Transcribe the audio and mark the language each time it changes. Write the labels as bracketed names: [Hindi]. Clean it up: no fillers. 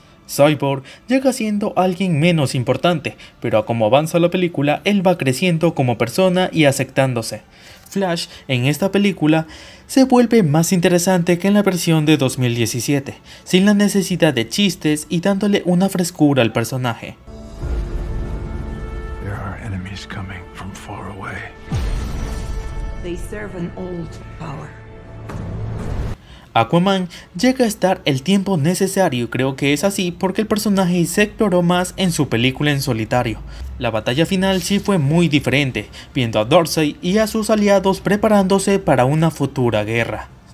[Spanish] Cyborg llega siendo alguien menos importante, pero a como avanza la película, él va creciendo como persona y aceptándose. Flash, en esta película, se vuelve más interesante que en la versión de 2017, sin la necesidad de chistes y dándole una frescura al personaje. [English] There are enemies coming from far away. They serve an old power. [Spanish] Aquaman llega a estar el tiempo necesario, creo que es así porque el personaje se exploró más en su película en solitario. La batalla final sí fue muy diferente, viendo a Darkseid y a sus aliados preparándose para una futura guerra.